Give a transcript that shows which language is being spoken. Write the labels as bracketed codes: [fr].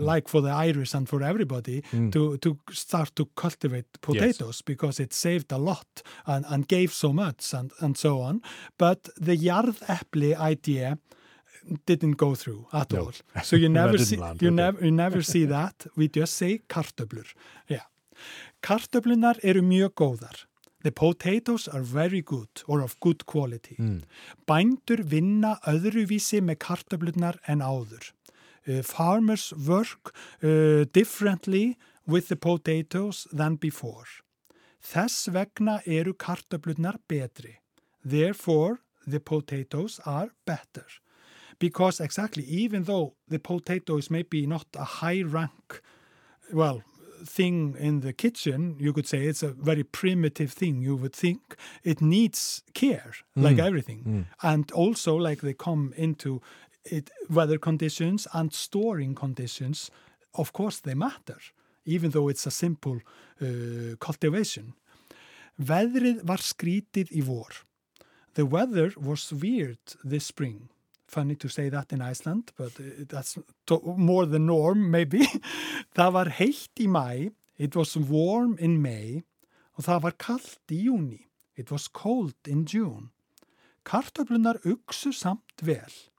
[en] like for the Irish and for everybody, mm. to start to cultivate potatoes yes. because it saved a lot and gave so much and so on. But the jarðepli idea didn't go through at no. all. So you never see you, you never see that. We just say kartöflur. Yeah. [is] Kartöflurnar eru mjög góðar. [en] The potatoes are very good or of good quality. Mm. [is] Bændur vinna öðruvísi með kartöflurnar en áður. [en] Farmers work differently with the potatoes than before. [is] Þess vegna eru kartöflurnar betri. [en] Therefore, the potatoes are better. Because exactly, even though the potato is maybe not a high rank, well, thing in the kitchen, you could say it's a very primitive thing, you would think. It needs care, like everything. Mm. And also, like, they come into it, weather conditions and storing conditions. Of course, they matter, even though it's a simple cultivation. [is] Veðrið var skrítið í vor. [en] The weather was weird this spring. Funny to say that in Iceland, but that's more the norm, maybe. [is] Það var heitt í maí, [en] it was warm in May, [is] og það var kalt í júní, [en] it was cold in June. [is] Kartöflurnar uxu samt vel.